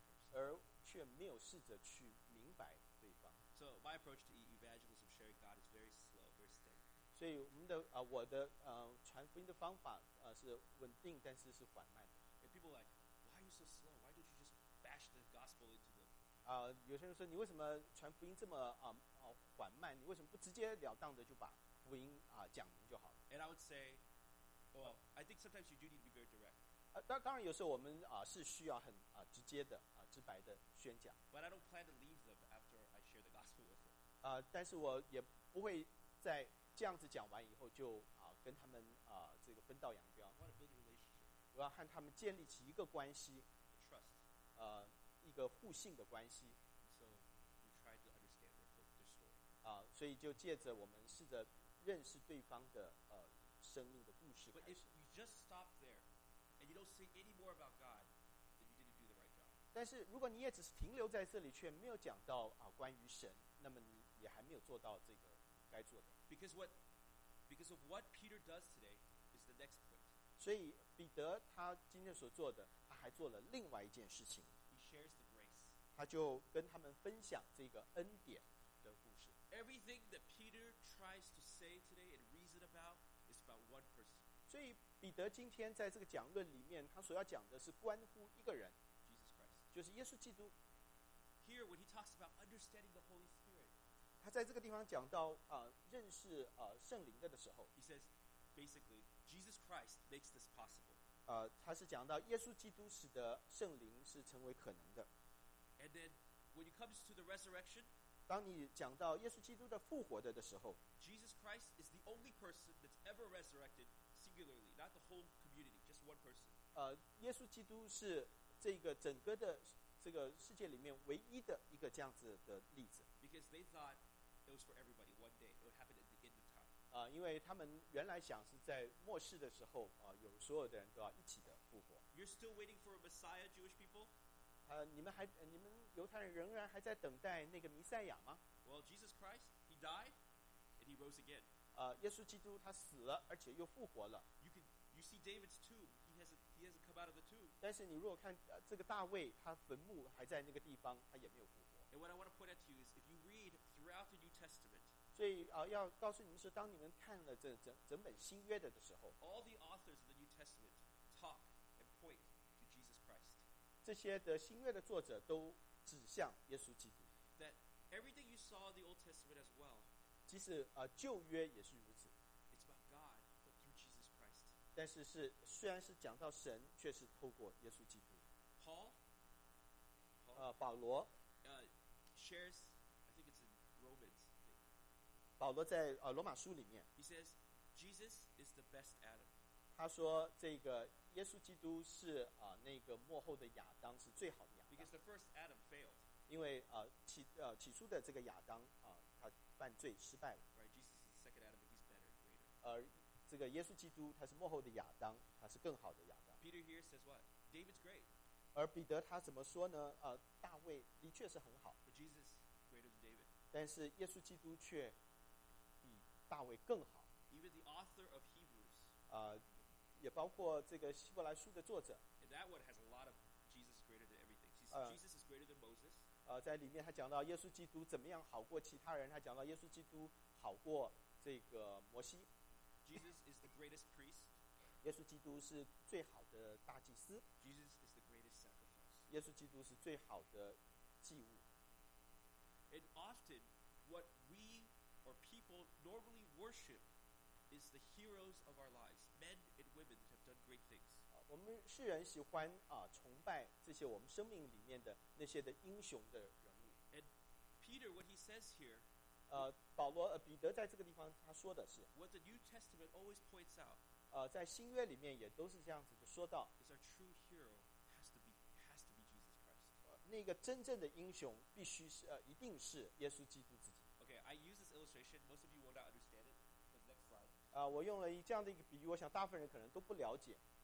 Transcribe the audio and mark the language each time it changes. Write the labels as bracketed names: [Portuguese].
[Chinese] 而却没有试着去明白对方。 [English] So my approach to evangelism sharing God is very slow, very steady. [Chinese] 所以我们的我的传福音的方法是稳定，但是是缓慢的。 [English] And people are like, why are you so slow? Why don't you just bash the gospel into them? [Chinese] 有些人说你为什么传福音这么缓慢？你为什么不直截了当的就把福音讲明就好了 [English] ？And I would say, well, I think sometimes you do need to be very direct. [Chinese] 当然有时候我们是需要很直接的直白的宣讲。 [English] But I don't plan to leave them after I share the gospel with them. [Chinese] 但是我也不会在这样子讲完以后就跟他们这个分道扬镳。 [English] I want to build a relationship. [Chinese] 我要和他们建立起一个关系。 [English] Trust. [Chinese] 一个互信的关系。 [English] So we try to understand their story. [Chinese] 所以就借着我们试着认识对方的生命的故事开始。 [English] But if you just stop there and you don't say any more about God, then you didn't do the right job. [Chinese] 但是如果你也只是停留在这里却没有讲到、啊、关于神，那么你也还没有做到这个该做的。 [English] Because of what Peter does today is the next point. [Chinese] 所以彼得他今天所做的，他还做了另外一件事情。 [English] He shares the grace. [Chinese] 他就跟他们分享这个恩典的故事。 [English] Everything that Peter tries to say today and reason about is about one person. [Chinese] 所以彼得今天在这个讲论里面，他所要讲的是关乎一个人 [English] ，Jesus Christ， [Chinese] 就是耶稣基督。 [English] Here, when he talks about understanding the Holy Spirit, [Chinese] 他在这个地方讲到啊、认识啊、圣灵的时候 [English] ，He says, basically, Jesus Christ makes this possible. [Chinese] 他是讲到耶稣基督使得圣灵是成为可能的。 [English] And then, when it comes to the resurrection, [Chinese] 当你讲到耶稣基督的复活的时候 [English] ，Jesus Christ is the only person that's ever resurrected singularly, not the whole community, just one person. [Chinese] 耶稣基督是这个整个的。这个世界里面唯一的一个这样子的例子。 [English] Because they thought it was for everybody. One day it would happen at the end of time. [Chinese] 因为他们原来想是在末世的时候啊、有所有的人都要一起的复活。 [English] You're still waiting for a Messiah, Jewish people? [Chinese] 你们犹太人仍然还在等待那个弥赛亚吗 [English] ？Well, Jesus Christ, he died and he rose again. [Chinese] 耶稣基督他死了，而且又复活了。 [English] You see David's tomb. He hasn't come out of the tomb. [Chinese] 但是你如果看、这个大卫，他坟墓还在那个地方，他也没有复活。 [English] And what I want to point out to you is, if you read throughout the New Testament, [Chinese] 所以啊、要告诉你们说，当你们看了整本新约的时候 [English] ，all the authors of the New Testament talk and point to Jesus Christ. [Chinese] 这些的新约的作者都指向耶稣基督。 [English] That everything you saw in the Old Testament as well. [Chinese] 即使啊、旧约也是如此。 [English] It's about God, but through Jesus Christ. [Chinese] 但是是虽然是讲到神，却是透过耶稣基督。 [English] Paul, [Chinese] 保罗 [English] shares, I think it's in Romans. [Chinese] 保罗在罗马书里面。 [English] He says, Jesus is the best Adam. [Chinese] 他说这个耶稣基督是啊、那个末后的亚当是最好的亚当。 [English] Because the first Adam failed. [Chinese] 因为起初的这个亚当啊、他犯罪失败了。 [English] Right, Jesus is the second Adam, but he's better, greater. [Chinese] 这个耶稣基督他是幕后的亚当，他是更好的亚当。 [English] Peter here says what? David's great. [Chinese] 而彼得他怎么说呢？大卫的确是很好。 [English] But Jesus is greater than David. [Chinese] 但是耶稣基督却比大卫更好。 [English] Even the author of Hebrews. [Chinese] 也包括这个希伯来书的作者。 [English] And that one has a lot of Jesus greater than everything. Jesus is greater than Moses. [Chinese] 在里面他讲到耶稣基督怎么样好过其他人，他讲到耶稣基督好过这个摩西。 [English] Jesus is the greatest priest. [Chinese] 耶稣基督是最好的大祭司。 [English] Jesus is the greatest sacrifice. [Chinese] 耶稣基督是最好的祭物。 [English] And often, what we or people normally worship is the heroes of our lives, men and women that have done great things. [Chinese] 我们世人喜欢啊、崇拜这些我们生命里面的那些的英雄的人物。 [English] And Peter, what he says here. [Chinese] 保罗彼得在这个地方他说的是 [English] What the New Testament always points out [Chinese] 在新约里面也都是这样子的说到 [English] is our true hero has to be Jesus Christ [Chinese] 那个真正的英雄必须是一定是耶稣基督自己 [English] Okay, I use this illustration most of you will not understand it but next slide [Chinese] 我用了这样的一个比喻我想大部分人可能都不了解